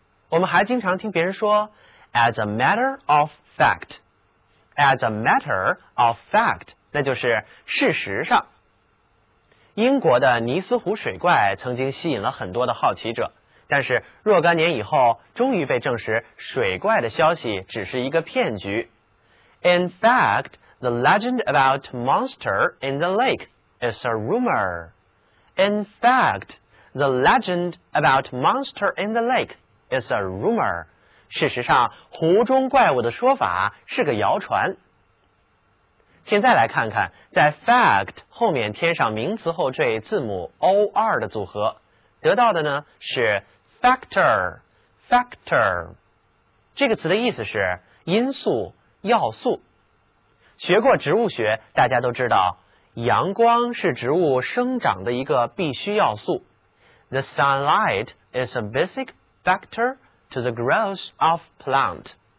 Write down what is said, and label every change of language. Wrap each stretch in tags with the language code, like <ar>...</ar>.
<zh>我们还经常听别人说</zh> <en>as a matter of fact</en> <zh>as a matter of fact， 那就是事实上。英国的尼斯湖水怪曾经吸引了很多的好奇者，但是若干年以后终于被证实水怪的消息只是一个骗局。</zh> <en>In fact, the legend about monster in the lake is a rumor. In fact, the legend about monster in the lake is a rumor.</en> <zh>事实上，湖中怪物的说法是个谣传。现在来看看在 fact 后面添上名词后缀字母 or 的组合，得到的呢是 factor factor， 这个词的意思是因素、要素。学过植物学大家都知道，阳光是植物生长的一个必须要素。</zh> <en>The sunlight is a basic factor to the growth of plant.</en>